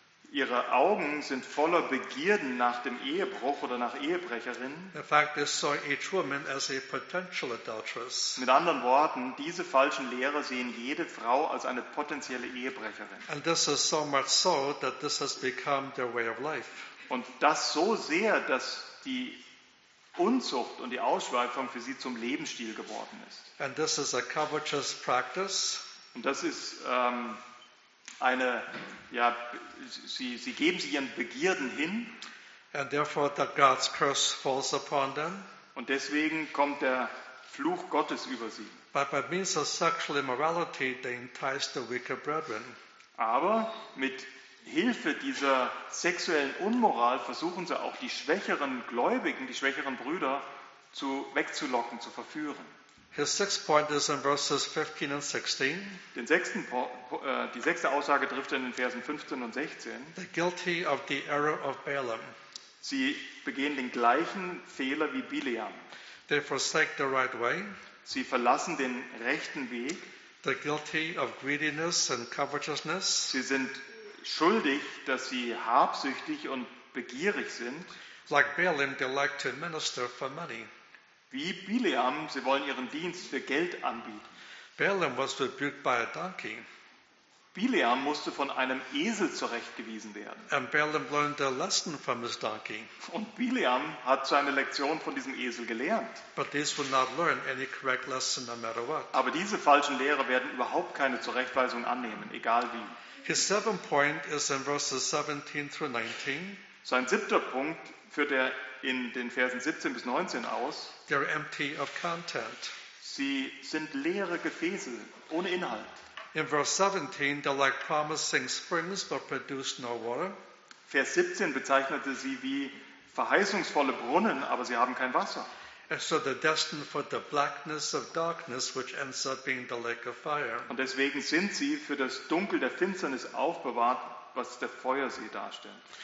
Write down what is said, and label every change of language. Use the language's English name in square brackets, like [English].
[German] Ihre Augen sind voller Begierden nach dem Ehebruch oder nach Ehebrecherin. [English] In fact, they saw each woman as a potential adulteress. [German] Mit anderen Worten, diese falschen Lehrer sehen jede Frau als eine potenzielle Ehebrecherin. [English] And this is so much so that this has become their way of life. [German] Und das so sehr, dass die Unzucht und die Ausschweifung für sie zum Lebensstil geworden ist. [English] And this is a covetous practice. [German] Und das ist eine, ja, sie geben sich ihren Begierden hin. [English] And therefore that God's curse falls upon them. [German] Und deswegen kommt der Fluch Gottes über sie. [English] But by means of sexual immorality, they entice the weaker brethren. [German] Aber mit Hilfe dieser sexuellen Unmoral versuchen sie auch die schwächeren Gläubigen, die schwächeren Brüder wegzulocken, zu verführen. [English] His sixth point is in verses 15 and 16. [German] Die sechste Aussage trifft in den Versen 15 und 16. [English] The guilty of the error of Balaam. [German] Sie begehen den gleichen Fehler wie Bileam. [English] They forsake the right way. [German] Sie verlassen den rechten Weg. [English] The guilty of greediness and covetousness. [German] Sie sind schuldig, dass sie habsüchtig und begierig sind. [English] Like Balaam, they like to minister for money. [German] Wie Bileam, sie wollen ihren Dienst für Geld anbieten. [English] Balaam was rebuked by a donkey. [German] Bileam musste von einem Esel zurechtgewiesen werden. [English] And Balaam learned a lesson from his donkey. [German] Und Bileam hat seine Lektion von diesem Esel gelernt. [English] But this will not learn any correct lesson no matter what. [German] Aber diese falschen Lehrer werden überhaupt keine Zurechtweisung annehmen, egal wie. [English] His seventh point is in verses 17 through 19. [German] Sein siebter Punkt führt er in den Versen 17 bis 19 aus. [English] They are empty of content. [German] Sie sind leere Gefäße, ohne Inhalt. [English] In verse 17, they're like promising springs, but produce no water. [German] Vers 17 bezeichnete sie wie verheißungsvolle Brunnen, aber sie haben kein Wasser. [English] And so they're destined for the blackness of darkness, which ends up being the lake of fire. [German] Und deswegen sind sie für das Dunkel der Finsternis aufbewahrt, was der Feuersee darstellt.